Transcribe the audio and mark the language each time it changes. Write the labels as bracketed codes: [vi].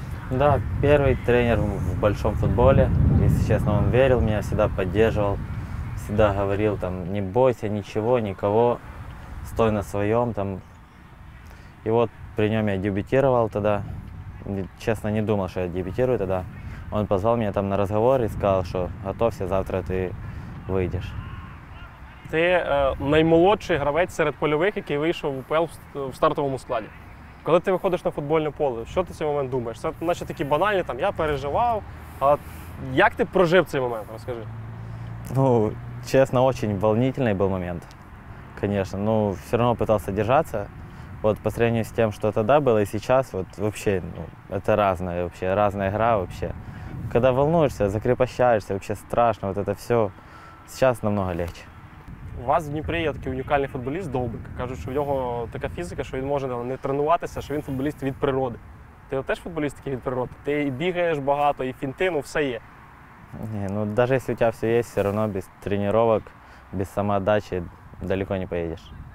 [uk] Да, перший тренер в великому футболі. Якщо чесно, він вірив мені, завжди підтримував, завжди говорив, там, [ru] не бойся [uk] нічого, нікого, стой на своєму. І от при ньому я дебютував тоді. Чесно, не думав, що я дебютую тоді. [ru] Он позвал меня там на разговор и сказал, что готовься, завтра ты выйдешь. [uk] Ты наймолодший гравець серед польових, який вийшов у ПЛ в стартовому складі. Коли ти виходиш на футбольне поле, що ти в цей момент думаєш? Це наче такі банальні, там, я переживав, а як ти прожив цей момент, розкажи? [ru] Ну, чесно, очень волнительный был момент, конечно. Ну, все равно пытался держаться. Вот по сравнению с тем, что тогда было и сейчас, вот вообще, ну, это разное вообще, разная игра вообще. Когда волнуешься, закрепощаешься, вообще страшно, вот это все сейчас намного легче. [uk] У вас в Дніпрі є такий унікальний футболіст Довбик. Кажуть, що в нього така фізика, що він може не тренуватися, що він футболіст від природи. Ти теж футболіст такий від природи? Ти і бігаєш багато, і фінти, ну все є. Ні, ну навіть якщо у тебе все є, все одно без тренувань, без самоотдачі далеко не поїдеш.